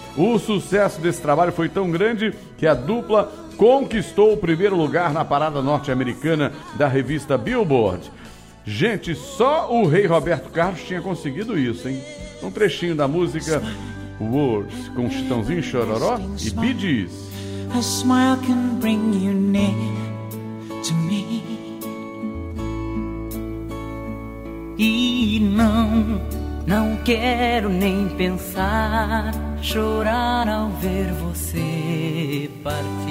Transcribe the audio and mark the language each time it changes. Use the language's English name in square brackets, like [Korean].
[Portuguese] O sucesso desse trabalho foi tão grande que a dupla conquistou o primeiro lugar na parada norte-americana da revista Billboard. Gente, só o rei Roberto Carlos tinha conseguido isso, hein? Um trechinho da música Words, com Chitãozinho, Xororó e Bee Gees. [English] A smile can bring you near to me. [Portuguese] E não quero nem pensar, chorar ao ver você partir.